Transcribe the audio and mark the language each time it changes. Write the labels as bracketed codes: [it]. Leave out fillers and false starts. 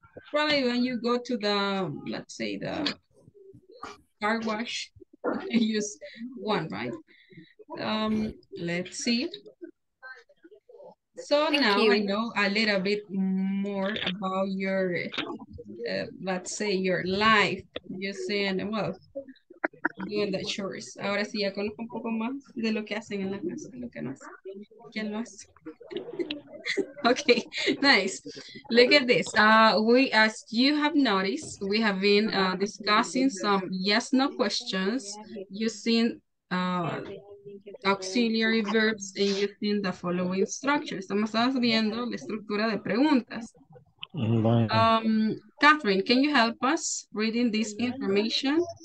[en] Probably when you go to the, let's say, the car wash, you use one, right? Let's see. So now I know a little bit more about your, let's say, your life. You're saying, well, doing the chores. [es] Ahora sí, ya conozco un poco más de lo que hacen en la casa, lo que no hacen. ¿Quién lo hace? [en] Okay, nice. Look at this. We, as you have noticed, we have been discussing some yes-no questions using auxiliary verbs and using the following structure. [es] Estamos viendo la estructura de preguntas. [en] Catherine, can you help us reading this information?